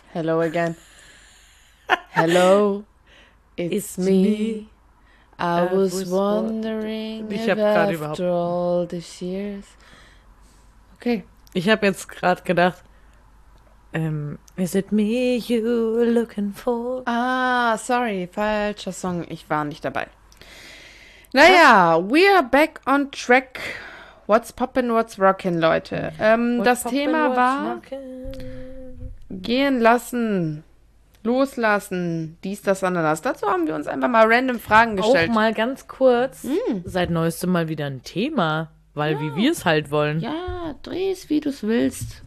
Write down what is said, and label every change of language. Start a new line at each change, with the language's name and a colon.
English: Hello again. Hello, it's me. I was wondering
German: ich
English: if after
German: überhaupt...
English: all these years. Okay.
German: Ich habe jetzt gerade gedacht,
English: is it me you're looking for?
German: Ah, sorry, falscher Song. Ich war nicht dabei.
English: Naja, we are back on track. What's poppin', what's rockin', Leute?
German: Das Thema war gehen lassen, loslassen, dies, das, Ananas. Dazu haben wir uns einfach mal random Fragen gestellt. Auch mal ganz kurz, seit neuestem mal wieder ein Thema, weil wie wir es halt wollen. Ja, dreh es, wie du es willst.